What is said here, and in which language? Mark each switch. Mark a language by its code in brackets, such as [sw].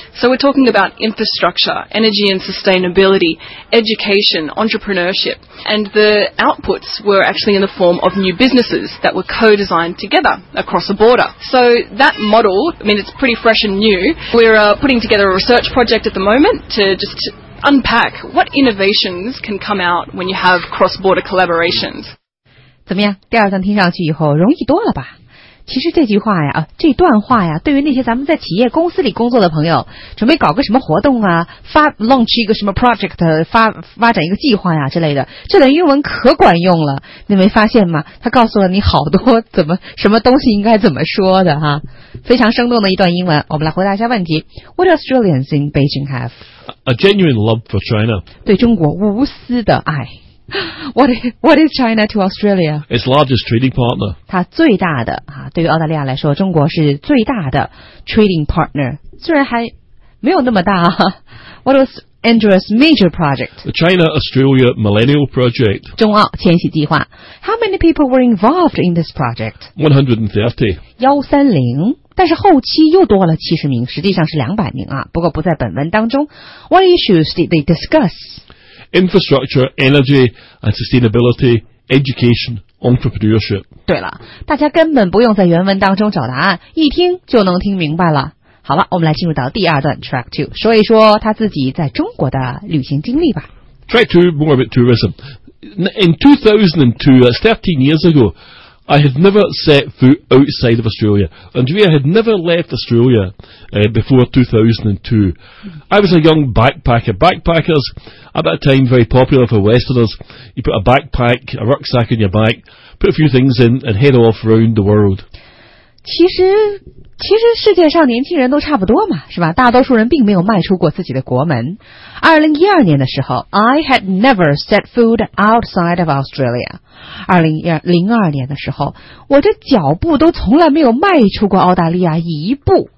[en] So we're talking about infrastructure, energy and sustainability, education, entrepreneurship, and the outputs were actually in the form of new businesses that were co-designed together across a border. So that model, I mean, it's pretty fresh and new. We're putting together a research project at the moment to just unpack what innovations can come out when you have cross-border collaborations. [zh] 怎么样？第二段听上去以后容易多了吧？其实这句话呀，这段话呀，对于那些咱们在企业公司里工作的朋友，准备搞个什么活动啊，launch 一个什么 project， 发展一个计划呀之类的，这段英文可管用了。你没发现吗？他告诉了你好多怎么什么东西应该怎么说的哈，非常生动的一段英文。我们来回答一下问题 ： [en] What Australians in Beijing have a genuine love for China？ [zh] 对中国无私的爱。 [en] What is China to Australia? Its largest trading partner. [zh] 它最大的啊，对于澳大利亚来说，中国是最大的 trading partner. 虽然还没有那么大。 [en] What was Andrew's major project? The China-Australia Millennial Project. [zh] 中澳迁徙计划。 [en] How many people were involved in this project? 130. [zh] 但是后期又多了70名，实际上是200名啊。不过不在本文当中。 [en] What issues did they discuss? Infrastructure, energy and sustainability, education, entrepreneurship. [zh] 对了，大家根本不用在原文当中找答案，一听就能听明白了。好了，我们来进入到第二段 Track 2， 说一说他自己在中国的旅行经历吧。 [en] Track 2, more about tourism. In 2002, that's 13 years ago, I had never set foot outside of Australia. Andrea had never left Australia before 2002. I was a young backpacker. Backpackers, at that time, very popular for Westerners. You put a backpack, a rucksack on your back, put a few things in and head off around the world. [zh] 其实世界上年轻人都差不多嘛，是吧？大多数人并没有迈出过自己的国门。 2012年的时候 [en] ，I had never set foot outside of Australia。 [zh] 2012年的时候，我这脚步都从来没有迈出过澳大利亚一步。